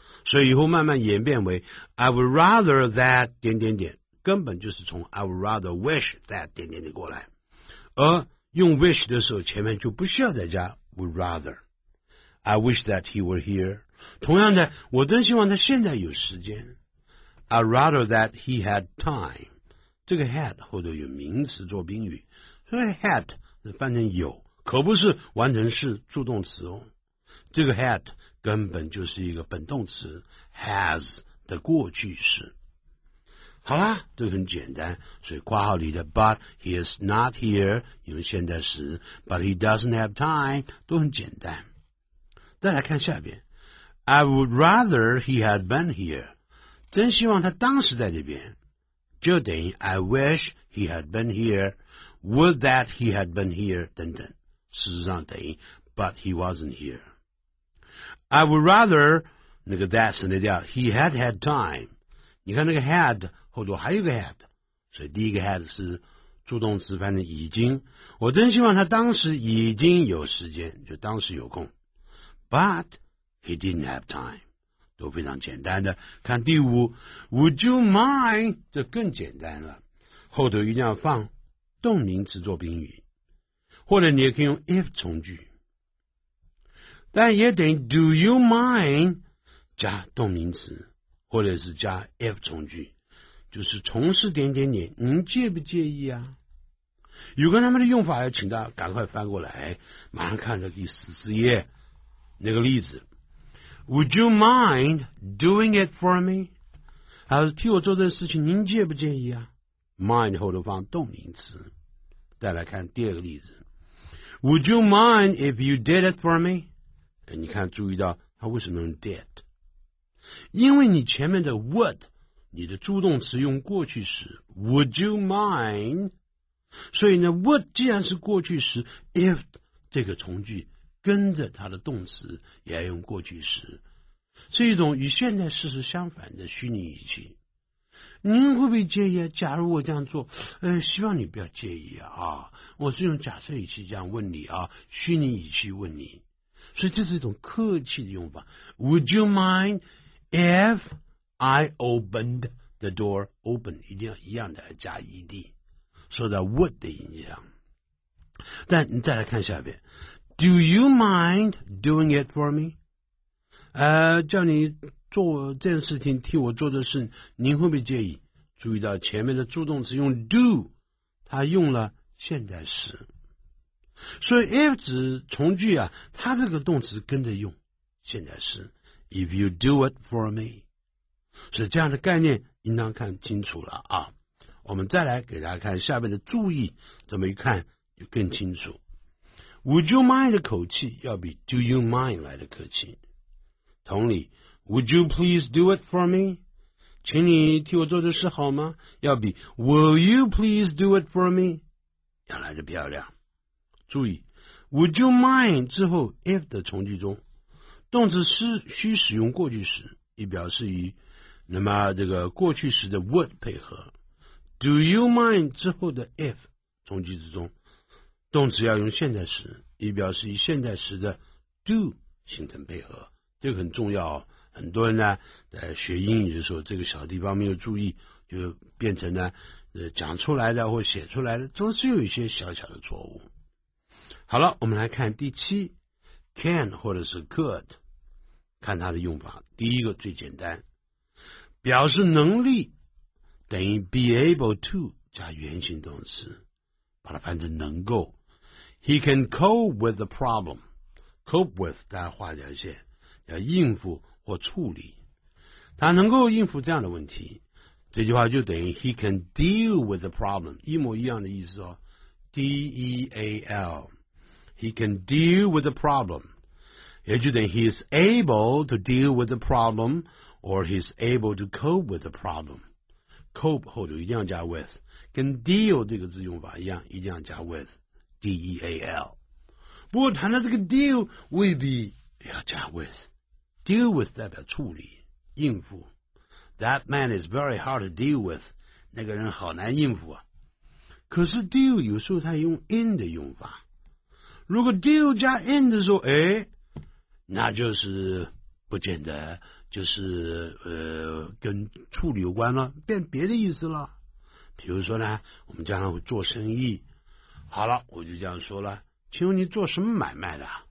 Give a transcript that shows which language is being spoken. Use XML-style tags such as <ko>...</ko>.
<zh>所以以后慢慢演变为</zh> <en>I would rather that</en> <zh>点点点，根本就是从</zh> <en>I would rather wish that</en> <zh>点点点过来。而用 wish 的时候，前面就不需要再加 would rather。</zh> <en>I wish that he were here。</en> <zh>同样的，我真希望他现在有时间。</zh> <en>I'd rather that he had time。</en> <zh>这个 had 后头有名词做宾语，所以 had 翻成有，可不是完成式助动词哦。这个 had 根本就是一个本动词 has 的过去式。好啦，这很简单，所以括号里的</zh> <en>but he is not here</en> <zh>用现在时 ，</zh> <en>but he doesn't have time</en> <zh>都很简单。</zh> <en>再来看下边 ，I would rather he had been here，</en> <zh>真希望他当时在这边，</zh> <en>就等于 I wish he had been here，would that he had been here 等等，事实上等于 but he wasn't here。</en> <zh>I would rather 那个 that 省掉 ，</zh> <en>he had had time，</en> <zh>你看那个 had 后头还有个 had， 所以第一个 had 是助动词翻成已经，我真希望他当时已经有时间，就当时有空。</zh> <en>But he didn't have time， 都非常简单的。</en> <zh>看第五</zh> <en>，Would you mind？</en> <zh>这更简单了，后头一定要放动名词做宾语，或者你也可以用 if 从句，但也等于 Do you mind 加动名词，或者是加 if 从句，就是从事点点点，您介不介意啊？有关他们的用法，要请大家赶快翻过来，马上看到第14页。那个例子</zh> <en>，Would you mind doing it for me？</en> <zh>还是替我做这事情，您介不介意啊 ？Mind 后头放动名词。</zh> <en>再来看第二个例子 ，Would you mind if you did it for me？</en> <zh>你看，注意到它为什么用 did？ 因为你前面的 would， 你的助动词用过去时 ，</zh> <en>Would you mind？</en> <zh>所以呢 ，would 既然是过去时 ，if 这个从句。跟着他的动词也要用过去时，是一种与现在事实相反的虚拟语气。您会不会介意？假如我这样做，希望你不要介意啊！我是用假设语气这样问你啊，虚拟语气问你，所以这是一种客气的用法。</zh> <en>Would you mind if I opened the door?</en> <zh>Open 一定要一样的加 ed， 受到 would 的影响。但你再来看下边。</zh> <en>Do you mind doing it for me？</en> <zh>叫你做这件事情，替我做的事，您会不会介意？注意到前面的助动词用 do， 它用了现在时，所以 if 指从句啊，它这个动词跟着用现在时。</zh> <en>If you do it for me，</en> <zh>所以这样的概念应当看清楚了啊。我们再来给大家看下面的注意，这么一看就更清楚。</zh> <en>Would you mind</en> <zh>的口气要比</zh> <en>Do you mind</en> <zh>来的客气。同理 ，</zh> <en>Would you please do it for me？</en> <zh>请你替我做这事好吗？</zh> <en>要比 Will you please do it for me？</en> <zh>要来的漂亮。注意 ，Would you mind 之后 if 的从句中，动词是需使用过去时，以表示与那么这个过去时的 would 配合。 Do you mind 之后的 if 从句之中。动词要用现在时，以表示与现在时的 do 形成配合，这个很重要。很多人呢在学英语的时候，这个小地方没有注意，就变成呢讲出来的或写出来的，总是有一些小小的错误。好了，我们来看第七 ，can 或者是 could， 看它的用法。第一个最简单，表示能力等于 be able to 加原形动词。把它翻成能够</zh> <en>，He can cope with the problem.</en> <zh>Cope with 大家画条线，要应付或处理。他能够应付这样的问题，这句话就等于</zh> <en>He can deal with the problem，</en> <zh>一模一样的意思哦。</zh> <en>D E A L， He can deal with the problem， 也就等于 He is able to deal with the problem， or he is able to cope with the problem。</en> <zh>Cope 后头一定要加 with。跟 deal 这个字用法一样，一定要加 with， D E A L。不过谈到这个 deal， 未必要加 with。 deal with 代表处理、应付。</zh> <en>That man is very hard to deal with，</en> <zh>那个人好难应付啊。可是 deal 有时候他用 in 的用法，如果 deal 加 in 的时候，那就是不见得就是跟处理有关了，变别的意思了。比如说呢，我们将来会做生意，好了，我就这样说了，请问你做什么买卖的？</zh>